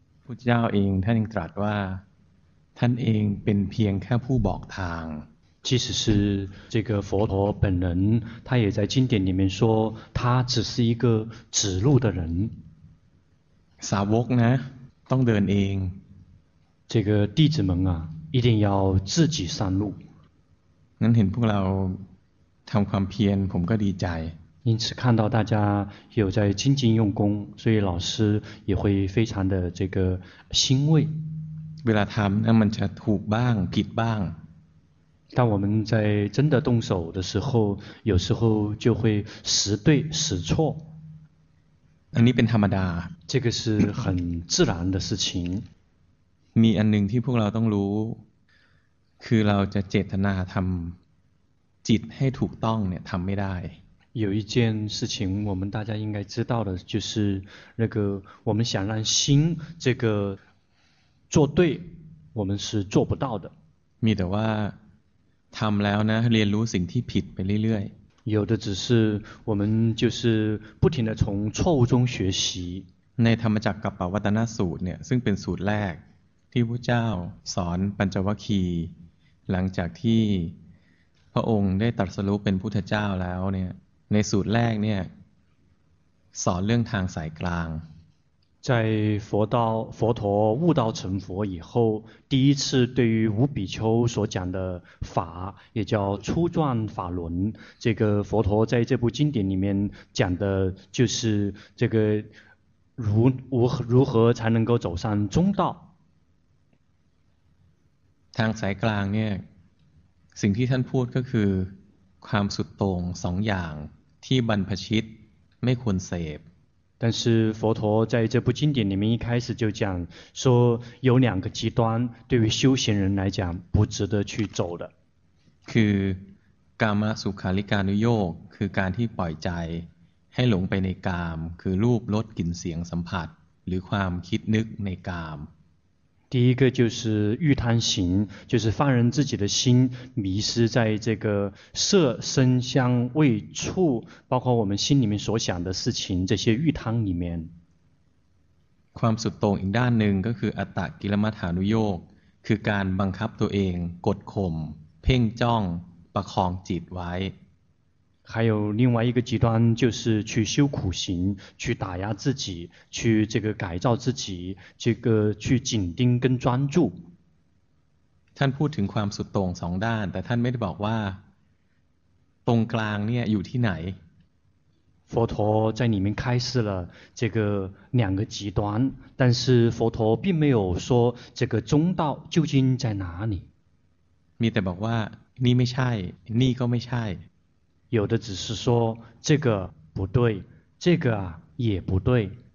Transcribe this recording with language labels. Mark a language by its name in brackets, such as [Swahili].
[Thai] ทธเจ้าเองท่านตรัสว่าท่านเองเป็นเพียงแค่ผู้บอกทาง [Chinese] 其实是这个佛陀本人他也在经典里面说他只是一个指路的人 [Thai] สาวกนะต้องเดินเอง [Chinese] 这个弟子们啊一定要自己上路 [Thai] งั้นเห็นพวกเราทำความเพียรผมก็ดีใจ [Chinese] 因此看到大家有在精进用功所以老师也会非常的这个欣慰 [Thai] เวลาทำนะมันจะถูกบ้างผิดบ้าง [Chinese] 当我们在真的动手的时候有时候就会时对时错 [Thai] อันนี้เป็นธรรมดา [Chinese] 这个是很自然的事情 [Thai] มีอันหนึ่งที่พวกเราต้องรู้คือเราจะเจตนาทำจิตให้ถูกต้องเนี่ยทำไม่ได้ [Chinese] 有一件事情我们大家应该知道的就是那个我们想让心这个做对我们是做不到的 [Thai] มีแต่ว่าทำแล้วนะเรียนรู้สิ่งที่ผิดไปเรื่อย [Chinese] ๆ有的只是我们就是不停地从错误中学习 [Thai] ในธรรมจักรกัปปวัตตนสูตรเนี่ยซึ่งเป็นสูตรแรกที่พระเจ้าสอนปัญจวัคคีย์หลังจากที่พระองค์ได้ตรัสรู้เป็นพุทธเจ้าแล้วเนี่ยในสูตรแรกเนี่ยสอนเรื่องทางสายกลาง [Chinese] 在佛道佛陀悟道成佛以后第一次对于无比丘所讲的法也叫初转法轮这个佛陀在这部经典里面讲的就是这个 如何才能够走上中道 [Thai] ทางสายกลางเนี่ยสิ่งที่ท่านพูดก็คือความสุดโต่งสองอย่างที่บรรพชิตไม่ควรเสพ [Chinese] 但是佛陀在这部经典里面一开始就讲说有两个极端对于修行人来讲不值得去走的 [Thai] คือกามสุขาริกานุโยคคือการที่ปล่อยใจให้หลงไปในกามคือรูปรสกลิ่นเสียงสัมผัสหรือความคิดนึกในกาม [Chinese] 第一个就是欲贪行就是放任自己的心迷失在这个色声香味触包括我们心里面所想的事情这些欲贪里面 [Thai] ความสุดโต่งอีกด้านหนึ่งก็คืออัตตกิลมัฏฐานุโยคคือการบังคับตัวเองกดข่มเพ่งจ้องประคองจิตไว้ [Chinese] 还有另外一个极端就是去修苦行去打压自己去这个改造自己这个去紧盯跟专注 [Thai] ท่านพูดถึงความสุดโต่งสองด้านแต่ท่านไม่ได้บอกว่าตรงกลางเนี่ยอยู่ที่ไหน [Chinese] 佛陀在里面开示了这个两个极端但是佛陀并没有说这个中道究竟在哪里 [Thai] มีแต่บอกว่านี่ไม่ใช่นี่ก็ไม่ใช่ [Chinese] 有的只是说这个不对这个也不对